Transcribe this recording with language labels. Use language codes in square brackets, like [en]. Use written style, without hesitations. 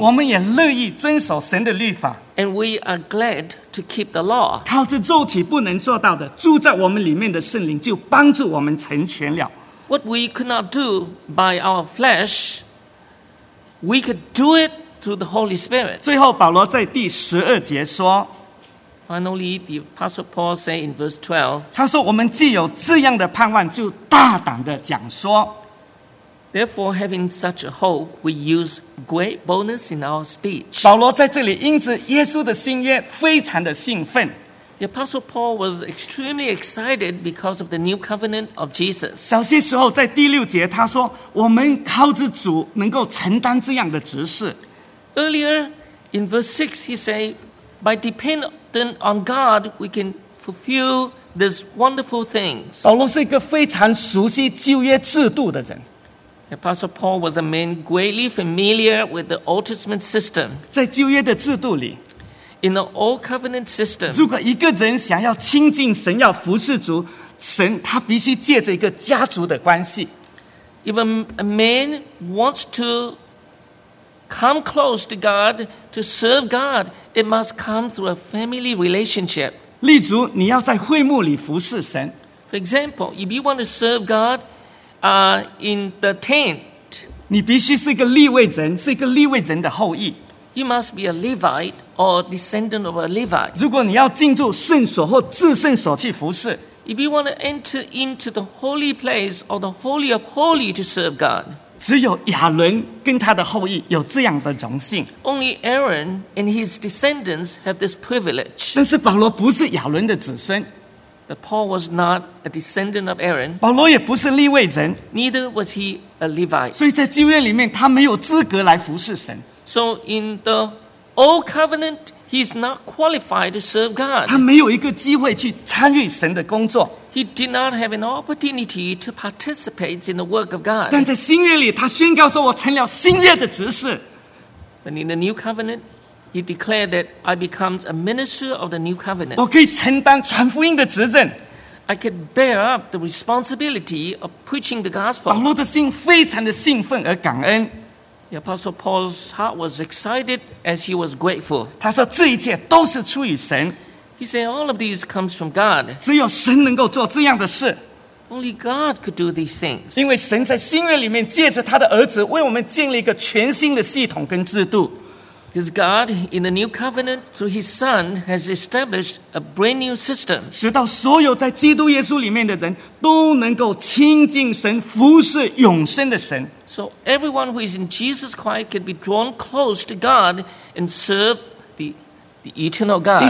[zh] 我们也乐意遵守神的律法。 [en] And we are glad to keep the law. [zh] 靠着肉体不能做到的，住在我们里面的圣灵就帮助我们成全了。 [en] What we could not do by our flesh, we could do it through the Holy Spirit. [zh] 最后，保罗在第十二节说。 [en] Finally, the Apostle Paul said in verse 12, [zh] 他说我们既有这样的盼望就大胆地讲说 [en] Therefore, having such a hope, we use great boldness in our speech. [zh] 保罗在这里因着耶稣的新约非常的兴奋 [en] The Apostle Paul was extremely excited because of the new covenant of Jesus. [zh] 早些时候在第六节他说我们靠着主能够承担这样的职事 [en] Earlier, in verse 6, he said, by depending onThen on God, we can fulfill these wonderful things. [zh] 保罗是一个非常熟悉旧约制度的人。 [en] Apostle Paul was a man greatly familiar with the Old Testament system. [zh] 在旧约的制度里。 [en] In the Old Covenant system. [zh] 如果一个人想要亲近神，要服侍主，神他必须借着一个家族的关系。 [en] If a man wants to come close to God, to serve God, it must come through a family relationship. [zh] 例如你要在会幕里服侍神。 [en] For example, if you want to serve God, in the tent, [zh] 你必须是一个利未人，是一个利未人的后裔。 [en] You must be a Levite or descendant of a Levite. [zh] 如果你要进入圣所或至圣所去服侍。 [en] If you want to enter into the holy place or the holy of holy to serve God, [zh] 只有亚伦跟他的后裔有这样的荣幸。 [en] Only Aaron and his descendants have this privilege. [zh] 但是保罗不是亚伦的子孙。 [en] But Paul was not a descendant of Aaron. [zh] 保罗也不是利未人。 [en] Neither was he a Levite. [zh] 所以在旧约里面，他没有资格来服侍神。 [en] So in the old covenant, he is not qualified to serve God. [zh] 他没有一个机会去参与神的工作。 [en] He did not have an opportunity to participate in the work of God. [zh] 但在新约里，他宣告说：“我成了新约的执事。” [en] But in the new covenant, he declared that I become a minister of the new covenant. [zh] 我可以承担传福音的职任。 [en] I could bear up the responsibility of preaching the gospel. [zh] 保罗的心非常的兴奋而感恩。 [en] The Apostle Paul's heart was excited as he was grateful. [zh] 他说：“这一切都是出于神。” [en] He said, "All of these comes from God." [zh] 只有神能够做这样的事。 [en] Only God could do these things. [zh] 因为神在新约里面借着他的儿子为我们建立一个全新的系统跟制度。 [en] Because God, in the new covenant through His Son, has established a brand new system. [zh] 使到所有在基督耶稣里面的人都能够亲近神，服侍永生的神。 [en] So everyone who is in Jesus Christ can be drawn close to God and serve the eternal God.